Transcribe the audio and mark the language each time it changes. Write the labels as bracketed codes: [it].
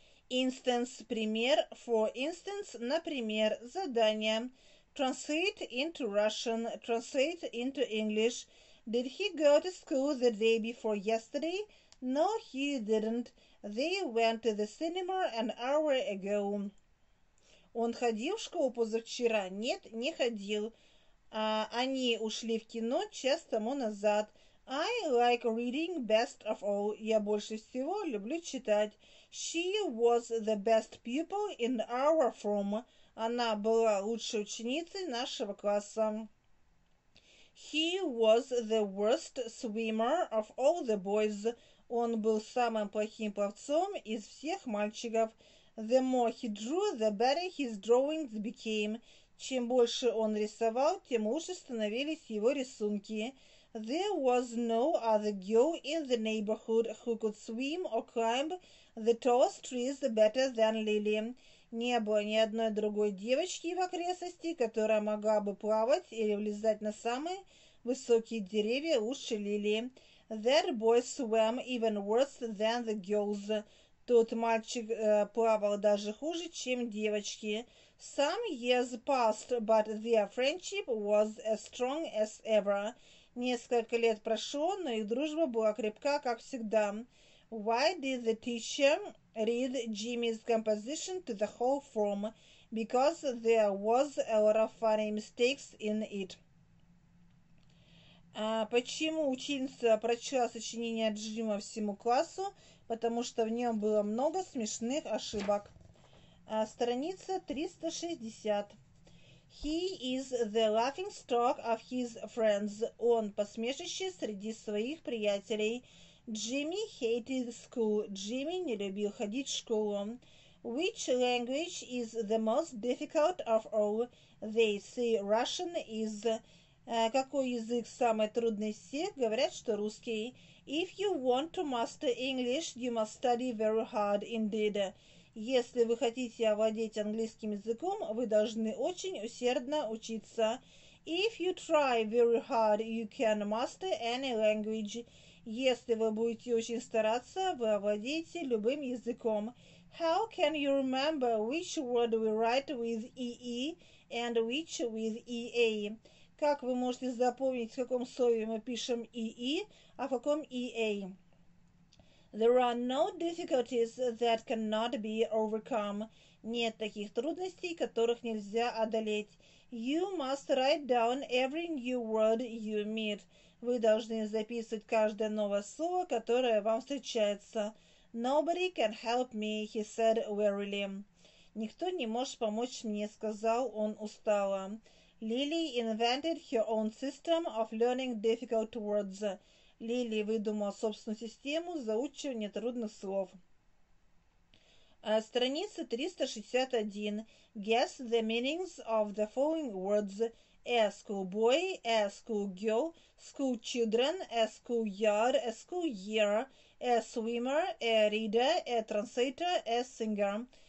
[en] Instance, [ru] пример, [en] for instance, [ru] например, задание, [en] translate into Russian, translate into English, did he go to school the day before yesterday? No, he didn't, they went to the cinema an hour ago. [ru] Он ходил в школу позавчера? Нет, не ходил. Они ушли в кино час тому назад. [en] I like reading best of all. [ru] Я больше всего люблю читать. [en] She was the best pupil in our form. [ru] Она была лучшей ученицей нашего класса. [en] He was the worst swimmer of all the boys. [ru] Он был самым плохим пловцом из всех мальчиков. [en] The more he drew, the better his drawings became. [ru] Чем больше он рисовал, тем лучше становились его рисунки. [en] There was no other girl in the neighborhood who could swim or climb the tallest trees better than Lily. [ru] Не было ни одной другой девочки в окрестности, которая могла бы плавать или влезать на самые высокие деревья лучше Лили. [en] That boy swam even worse than the girls. [ru] Тот мальчик плавал даже хуже, чем девочки. [en] Some years passed, but their friendship was as strong as ever. [ru] Несколько лет прошло, но их дружба была крепка, как всегда. [en] Why did the teacher read Jimmy's composition to the whole form? Because there was a lot of funny mistakes in it. [ru] Почему учительница прочла сочинение Джима всему классу? Потому что в нем было много смешных ошибок. Страница 360. [en] He is the laughingstock of his friends. [ru] Он посмешище среди своих приятелей. [en] Jimmy hated school. [ru] Джимми не любил ходить в школу. [en] Which language is the most difficult of all? They say Russian is. [ru] Какой язык самый трудный из всех? Говорят, что русский. [en] If you want to master English, you must study very hard indeed. [ru] Если вы хотите овладеть английским языком, вы должны очень усердно учиться. [en] If you try very hard, you can master any language. [ru] Если вы будете очень стараться, вы овладеете любым языком. [en] How can you remember which word we write with EE and which with EA? [ru] Как вы можете запомнить, в каком слове мы пишем EE, а в каком EA? [en] There are no difficulties that cannot be overcome. [ru] Нет таких трудностей, которых нельзя одолеть. [en] You must write down every new word you meet. [ru] Вы должны записывать каждое новое слово, которое вам встречается. [en] Nobody can help me, he said wearily. [ru] Никто не может помочь мне, сказал он устало. [en] Lily invented her own system of learning difficult words. [ru] Лили выдумала собственную систему заучивания трудных слов. Страница 361. [en] Guess the meanings of the following words. school boy, a school girl, school children, a school yard, a school year, a swimmer, a reader, a translator, a singer.